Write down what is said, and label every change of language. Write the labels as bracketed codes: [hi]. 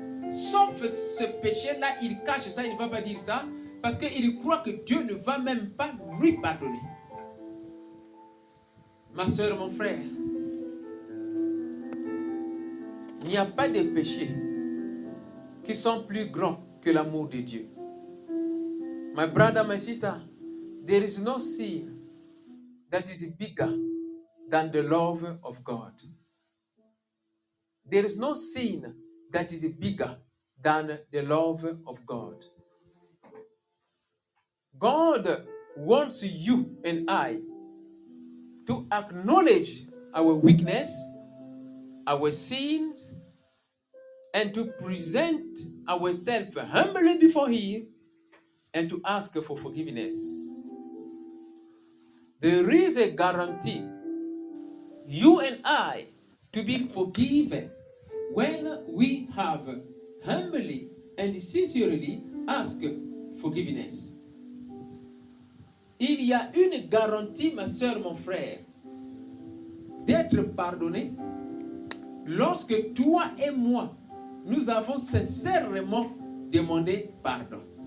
[fr] Sauf ce péché-là, il cache ça, il ne va pas dire ça. Parce qu'il croit que Dieu ne va même pas lui pardonner. Ma soeur, mon frère, il n'y a pas de péché qui sont plus grands que l'amour de Dieu. [en] My brother, my sister, there is no sin that is bigger than the love of God. There is no sin that is bigger than the love of God. God wants you and I to acknowledge our weakness, our sins, and to present ourselves humbly before Him and to ask for forgiveness. There is a guarantee you and I to be forgiven when we have humbly and sincerely asked forgiveness. [fr] Il y a une garantie, ma sœur, mon frère, d'être pardonné lorsque toi et moi, nous avons sincèrement demandé pardon.